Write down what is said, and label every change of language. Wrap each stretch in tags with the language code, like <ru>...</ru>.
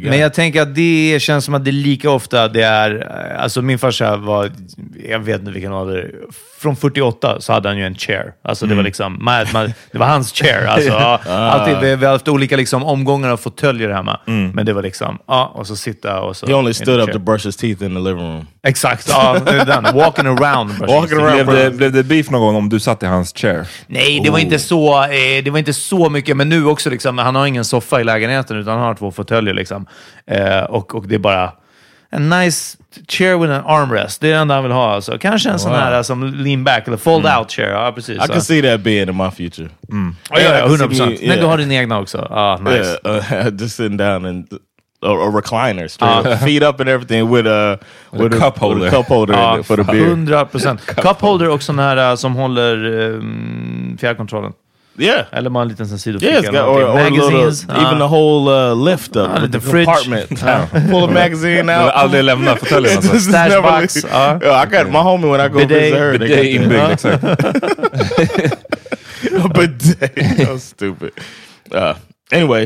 <sv>men jag tänker att det känns som att det lika ofta det är... Alltså min farsa var... Jag vet inte vilken ålder. Från 48 så hade han ju en chair. Alltså det var liksom... det var hans chair. Alltså, alltid, vi har haft olika liksom, omgångar av fåtöljer hemma. Mm. Men det var liksom... och så sitta och så...</sv> <en>He only stood up to brush his teeth in the living room.</en> <sv>Exakt.</sv> <en>Walking around.</en> <sv>Blev det beef någon gång om du satt i hans chair? Nej, det var inte så det var inte så mycket, men nu också liksom, han har ingen soffa i lägenheten utan han har två fåtöljer liksom. Och det är bara en</sv> <en>nice chair with an armrest.</en> <sv>Det är den där han vill ha alltså. Kanske en sån här som</sv> <en>lean back</en> <sv>eller</sv> <en>fold out chair.</en> <sv>Ja, precis.</sv> <en>I can see that being in my future.</en> <sv>Mm.</sv> <en>Oh, yeah,</en> <sv>100%. Men du har din egna också. Ah, nice.</sv> <en>Just sitting down and a recliner straight up, feet up and everything with a cup holder. Cup holder for the beer. 100%.</en> <sv>Cup holder också den här som håller fjärrkontrollen.</sv> <en>Yeah.</en> <sv>Eller man liten sån sidofika.</sv> <en>Yeah, it's got or magazines. Little, even the whole lift up. The fridge. Apartment. Pull a magazine out. I'll never leave my hotel. Stash box. I got my homie when I go bidet, visit her. Bidet in big. Bidet. That's stupid. Anyway.</en>